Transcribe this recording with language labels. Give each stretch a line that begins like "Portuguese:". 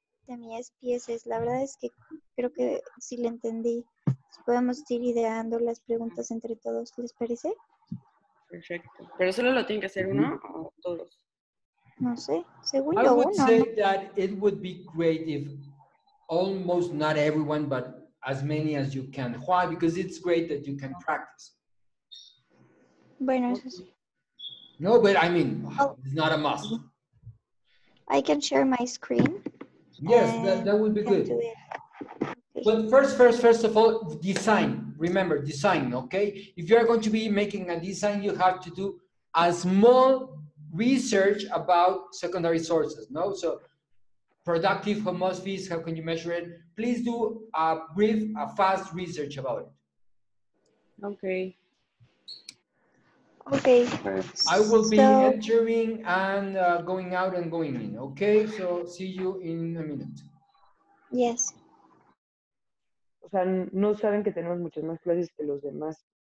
Spanish: De mi SPSS, la verdad es que creo que sí le entendí. Podemos ir ideando las preguntas entre todos, ¿les parece? Perfecto. ¿Pero solo lo tiene que hacer uno o todos? No sé, según yo uno.
English: I would say that it would be great if almost not everyone, but as many as you can. Why? Because it's great that you can practice.
Spanish: Bueno, eso sí.
English: No, but I mean, it's not a must. I can share my screen. Yes, that would be good. But first of all, design. Remember, design, okay? If you are going to be making a design, you have to do a small research about secondary sources, no? So productive homotopies, how can you measure it? Please do a brief, a fast research about it. Okay. I will be entering and going out and going in. Okay, so see you in a minute. Yes.
Spanish: O sea, no saben que tenemos muchas más clases que los demás.